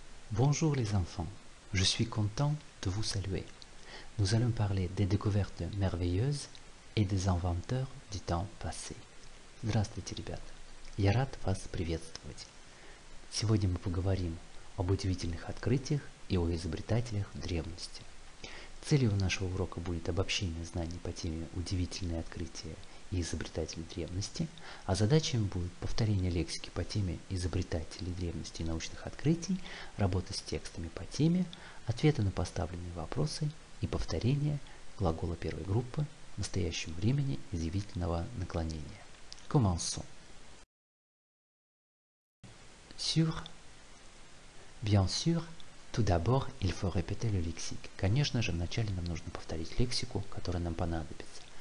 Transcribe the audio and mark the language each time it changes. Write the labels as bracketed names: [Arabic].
[French] Bonjour les enfants, je suis content de vous saluer. Nous allons parler des découvertes merveilleuses et des inventeurs du temps passé. [Russian] Здравствуйте, ребята. Я рад вас приветствовать. Сегодня мы поговорим об удивительных открытиях и о изобретателях древности. Целью нашего урока будет обобщение знаний по теме «Удивительные открытия и изобретатели древности», а задачами будет повторение лексики по теме «Изобретатели древности и научных открытий», работа с текстами по теме, ответы на поставленные вопросы и повторение глагола первой группы в настоящем времени изъявительного наклонения. [French] Commençons. Sûr. Bien sûr. Tout d'abord, il faut répéter le lexique. [Russian] Конечно же, вначале нам нужно повторить лексику, которая нам понадобится.